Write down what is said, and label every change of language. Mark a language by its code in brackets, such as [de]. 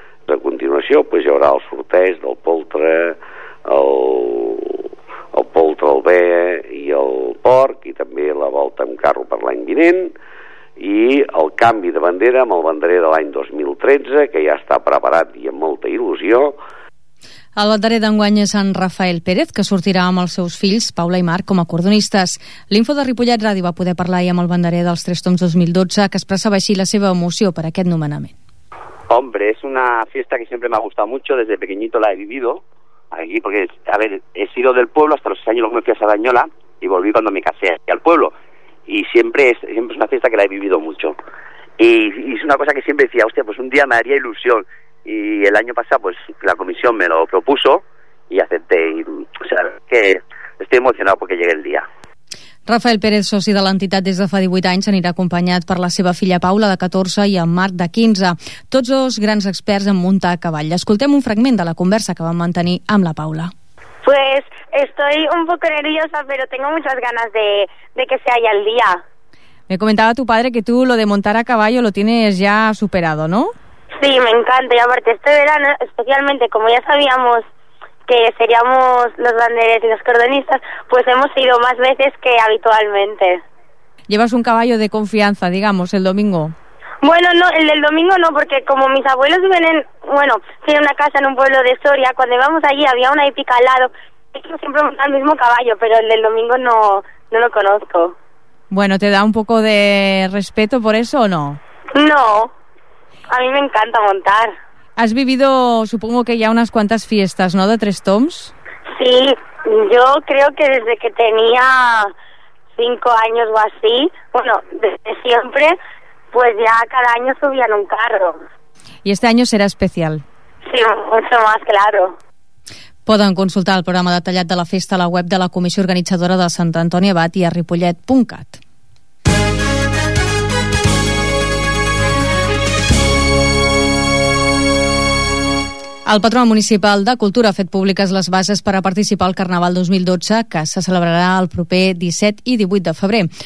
[ca] A continuació, doncs, hi haurà el sorteig del poltre, el poltre, el bé i el porc, i també la volta amb carro per l'any vinent, i el canvi de bandera amb el banderer de l'any 2013, que ja està preparat i amb molta il·lusió. El banderer d'enguany és en Rafael Pérez, que sortirà amb els seus fills, Paula i Marc, com a cordonistes. L'Info de Ripollet Ràdio va poder parlar amb el banderer dels Tres Tombs 2012, que expressava així la seva emoció per aquest nomenament. [es] Hombre, es una fiesta que siempre me ha gustado mucho, desde pequeñito la he vivido aquí, porque, a ver, he sido del pueblo hasta los 6 años, me fui a Sardañola y volví cuando me casé aquí al pueblo. Y siempre es una fiesta que la he vivido mucho. Y es una cosa que siempre decía, hostia, pues un día me haría ilusión. Y el año pasado, pues, la comisión me lo propuso y acepté. Y, o sea, que estoy emocionado porque llegue el día. [ca] Rafael Pérez, soci de l'entitat des de fa 18 anys, anirà acompanyat per la seva filla Paula, de 14, i en Marc, de 15. Tots dos grans experts en muntar a cavall. Escoltem un fragment de la conversa que vam mantenir amb la Paula. [es] Pues estoy un poco nerviosa, pero tengo muchas ganas de que se haya el día. Me comentaba tu padre que tú lo de montar a caballo lo tienes ya superado, ¿no? Sí, me encanta, y aparte este verano, especialmente como ya sabíamos que seríamos los banderes y los cordonistas, pues hemos ido más veces que habitualmente. ¿Llevas un caballo de confianza, digamos, el domingo? Bueno, no, el del domingo no, porque como mis abuelos tienen una casa en un pueblo de Soria, cuando íbamos allí había una hípica al lado, yo siempre montaba el mismo caballo, pero el del domingo no lo conozco. Bueno, ¿te da un poco de respeto por eso o no? No. A mí me encanta montar. Has vivido, supongo que ya unas cuantas fiestas, ¿no?, de Tres Tombs. Sí, yo creo que desde que tenía 5 años o así, bueno, desde siempre, pues ya cada año subía en un carro. ¿Y este año será especial? Sí, mucho más, claro. [ca] Poden consultar el programa detallat de la festa a la web de la Comissió Organitzadora de Sant Antoni Abat i a ripollet.cat. El patró municipal de Cultura ha fet públiques les bases per a participar al Carnaval 2012, que se celebrarà el proper 17 i 18 de febrer.